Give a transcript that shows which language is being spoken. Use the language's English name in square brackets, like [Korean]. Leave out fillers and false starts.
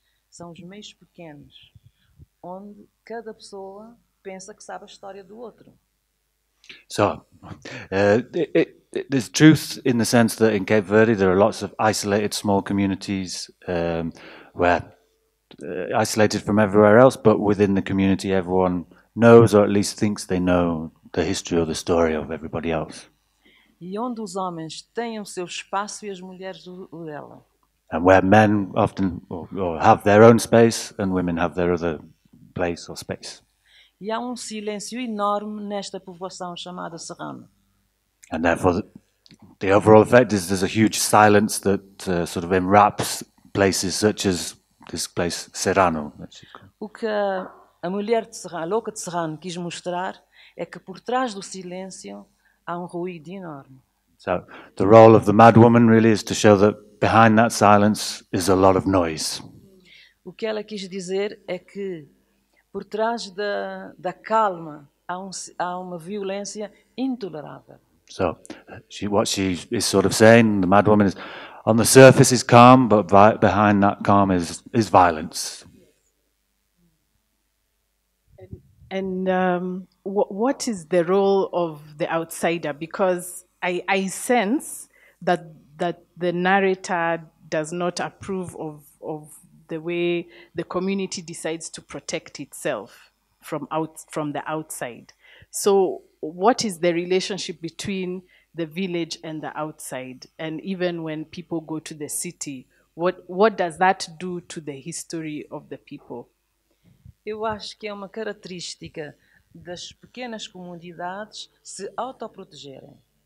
[Portuguese] São os meios pequenos, onde cada pessoa pensa que sabe a história do outro. [English] So, there's truth in the sense that in Cape Verde there are lots of isolated small communities isolated from everywhere else, but within the community everyone knows or at least thinks they know the history or the story of everybody else. [Portuguese] E onde os homens têm o seu espaço e as mulheres o dela. [English] And where men often or have their own space and women have their other place or space. [Portuguese] E há um silêncio enorme nesta povoação chamada Serrano. [English] And therefore the overall effect is there's a huge silence that sort of enwraps places such as this place, Serrano. [Portuguese] O que a mulher de Serrano, a louca de Serrano, quis mostrar é que por trás do silêncio há ruído enorme. [English] So, the role of the mad woman really is to show that behind that silence is a lot of noise. [Portuguese] O que ela quis dizer é que por trás da calma há uma violência intolerável. [English] So, what she is sort of saying, the mad woman is, on the surface is calm, but behind that calm is violence. And what is the role of the outsider? Because I sense that the narrator does not approve of the way the community decides to protect itself from the outside. So what is the relationship between the village and the outside, and even when people go to the city, what does that do to the history of the people? [Portuguese] Eu acho que é uma característica das pequenas comunidades se autoprotegerem.